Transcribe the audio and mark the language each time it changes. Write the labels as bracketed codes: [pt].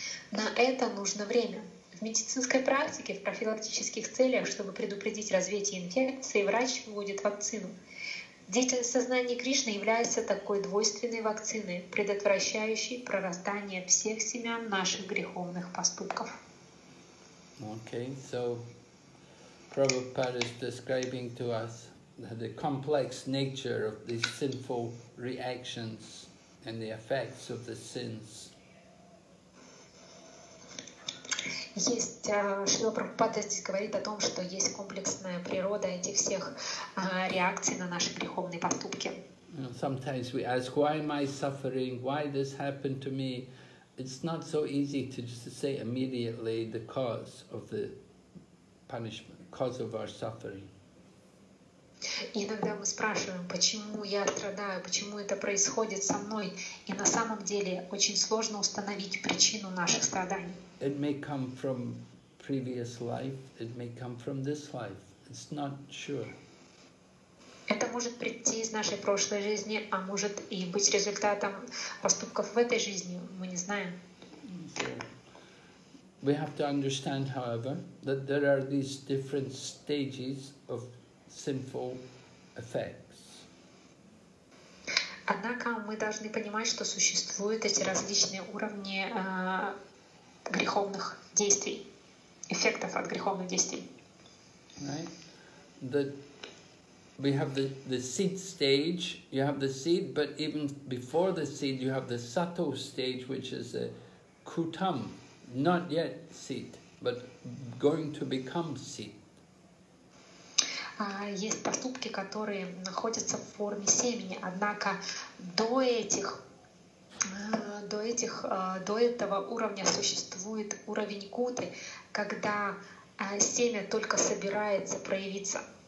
[ru] На это нужно время. В медицинской практике, в профилактических целях, чтобы предупредить развитие инфекции, врач вводит вакцину. Деятельность сознания Кришны является такой двойственной вакциной, предотвращающей прорастание всех семян наших греховных поступков. [en] Okay, so Prabhupada is describing to us the complex nature of these sinful reactions and the effects of the sins. [ru] Есть, Шрила Прабхупада здесь говорит о том, что есть комплексная природа этих всех реакций на наши греховные поступки. [en] Sometimes we ask, why am I suffering? Why this happened to me? It's not so easy to just say immediately the cause of the punishment, cause of our suffering. [ru] Иногда мы спрашиваем, почему я страдаю, почему это происходит со мной, и на самом деле очень сложно установить причину наших страданий. [en] It may come from previous life, it may come from this life, it's not sure. [ru] Это может прийти из нашей прошлой жизни, а может и быть результатом поступков в этой жизни, мы не знаем. [en] We have to understand, however, that there are these different stages of sinful effects. [ru] Однако мы должны понимать, что существуют эти различные уровни греховных действий, эффектов от греховных действий. [en] Right. We have the seed stage. You have the seed, but even before the seed, you have the subtle stage, which is a kutam, not yet seed, but going to become seed. [ru] Есть поступки, которые находятся в форме семени, однако до этого уровня существует уровень куты, когда семя только собирается проявиться.